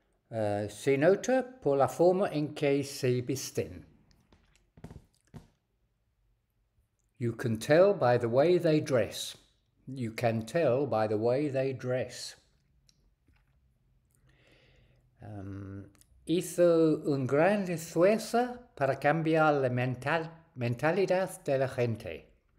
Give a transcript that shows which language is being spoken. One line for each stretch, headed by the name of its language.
Spanish: Se nota por la forma en que se visten.
English: You can tell by the way they dress. You can tell by the way they dress.
Spanish: Hizo un gran esfuerzo para cambiar la mentalidad de la gente.